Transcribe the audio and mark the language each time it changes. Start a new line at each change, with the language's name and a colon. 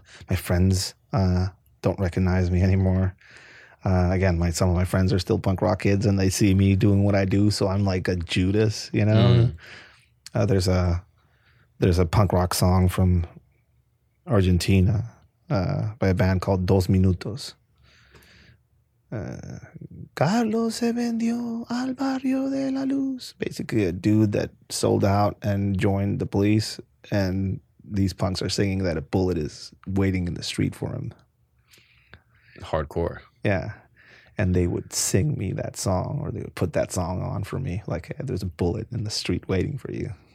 English: My friends don't recognize me anymore. Some of my friends are still punk rock kids, and they see me doing what I do, so I'm like a Judas, you know? Mm. There's a punk rock song from Argentina by a band called Dos Minutos.
Spanish: Carlos se vendió al barrio de la luz.
English: Basically a dude that sold out and joined the police, and these punks are singing that a bullet is waiting in the street for him. Hardcore. Yeah. And they would sing me that song, or they would put that song on for me, like, hey, there's a bullet in the street waiting for you.